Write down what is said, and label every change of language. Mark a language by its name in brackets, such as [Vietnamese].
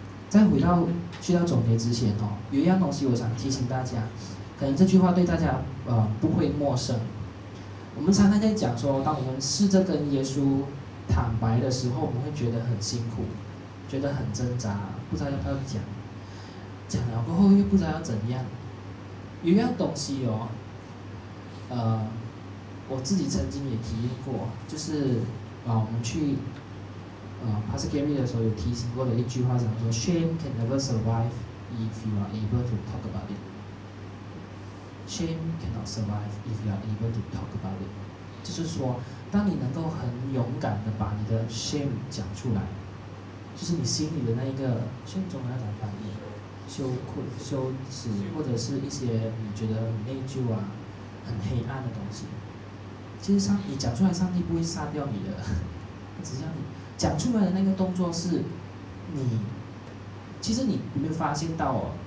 [Chinese] 再回到去到总结之前哦，有一样东西我想提醒大家，可能这句话对大家不会陌生。我们常常在讲说，当我们试着跟耶稣坦白的时候，我们会觉得很辛苦，觉得很挣扎。不知道要不要讲，讲了过后又不知道要怎样。有一样东西哦，我自己曾经也提验过，就是我们去Pastor Gary 的时候有提醒过的一句话，讲说 [English] Shame can never survive if you are able to talk about it. Shame cannot survive if you are able to talk about it. [Chinese] 就是说，当你能够很勇敢的把你的 shame 讲出来，就是你心里的那一个 shame 中那种反应，羞愧、羞耻，或者是一些你觉得很内疚啊、很黑暗的东西，其实上你讲出来，上帝不会杀掉你的，他只是让你讲出来的那个动作是你，其实你有没有发现到哦？